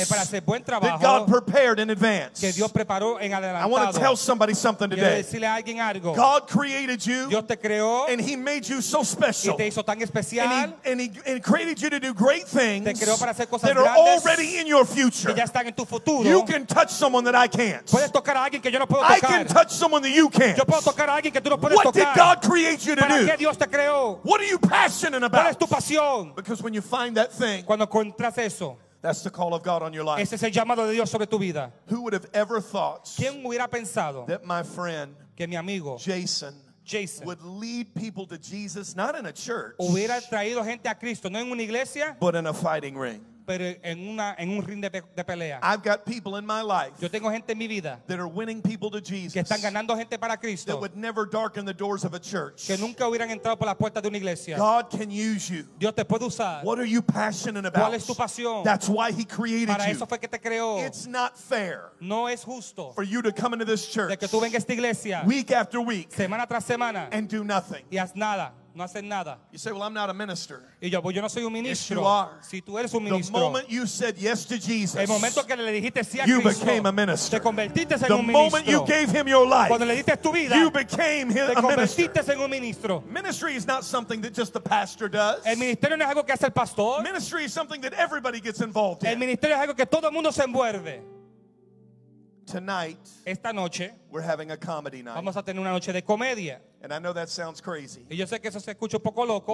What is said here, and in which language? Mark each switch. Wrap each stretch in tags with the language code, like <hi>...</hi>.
<es>es para hacer buen trabajo,</es> <en>that God prepared in advance.</en> <es>Que Dios preparó en adelantado.</es> <en>I want to tell somebody something today.</en> <es>Quiero decirle a alguien algo.</es> <en>God created you.</en> <es>Dios te creó.</es> <en>And he made you so special.</en> <es>Y te hizo tan especial.</es> <en>And he created you to do great things</en> <es>te creó para hacer cosas</es> <en>that are already in your future.</en> <es>Que ya están en tu futuro.</es> <en>You can touch someone that I can't.</en> <es>Puedes tocar a alguien que yo no puedo</es> <en>I</en> <es>tocar.</es> <en>Can touch someone that you can't.</en> <es>Yo puedo tocar a alguien que tú no puedes</es> <en>what</en> <es>tocar.</es> <en>Did God create you to</en> <es>para</es> <en>do?</en> <es>Qué Dios te creó?</es> <en>What are you passionate about?</en> <es>¿Cuál es tu pasión?</es> <en>Because when you find that thing,</en> <es>cuando encuentras eso,</es> <en>that's the call of God on your life.</en> <es>Ese es el llamado de Dios sobre tu vida.</es> <en>Who would have ever thought,</en> <es>¿quién hubiera pensado,</es> <en>that my friend,</en> <es>que mi amigo, Jason</es> <en>would lead people to Jesus, not in a church,</en> <es>hubiera traído gente a Cristo, no en una iglesia,</es> <en>but in a fighting ring.</en> <es>Pero en una, en un ring de pelea.</es> <en>I've got people in my life,</en> <es>yo tengo gente en mi vida,</es> <en>that are winning people to Jesus,</en> <es>que están ganando gente para Cristo,</es> <en>that would never darken the doors of a church,</en> <es>que nunca hubieran entrado por la puerta de una iglesia.</es> <en>God can use you.</en> <es>Dios te puede usar.</es> <en>What are you passionate about?</en> <es>¿Cuál es tu pasión?</es> <en>That's why he created</en> <es>para</es> <en>you.</en> <es>Eso fue que te creó.</es> <en>It's not fair,</en> <es>no es justo,</es> <en>for you to come into this church,</en> <es>de que tú vengas a esta iglesia,</es> <en>week after week,</en> <es>semana tras semana,</es> <en>and do nothing.</en> <es>Y haz nada. No hacen nada.</es> <en>You say, well, I'm not a minister.</en> <es>Y yo, pues yo no soy un ministro.</es> <en>Yes, you are.</en> <es>Si tú eres un ministro.</es> <en>The moment you said yes to Jesus,</en> <es>el momento que le dijiste sí a</es> <en>you</en> <es>Cristo,</es> <en>became a minister.</en> <es>Te convertiste en</es> <en>the</en> <es>un</es> <en>moment</en> <es>ministro.</es> <en>You gave him your life,</en> <es>cuando le diste tu vida,</es> <en>you became him,</en> <es>te convertiste</es> <en>a minister.</en> <es>En un ministro.</es> <en>Ministry is not something that just the pastor does.</en> <es>El ministerio no es algo que hace el pastor.</es> <en>Ministry is something that everybody gets involved in.</en> <es>El ministerio es algo que todo el mundo se envuelve.</es> <en>Tonight,</en> <es>esta noche,</es> <en>we're having a comedy night.</en> <es>Vamos a tener una noche de comedia.</es> <en>And I know that sounds crazy.</en> <es>Y yo sé que eso se escucha un poco loco.</es>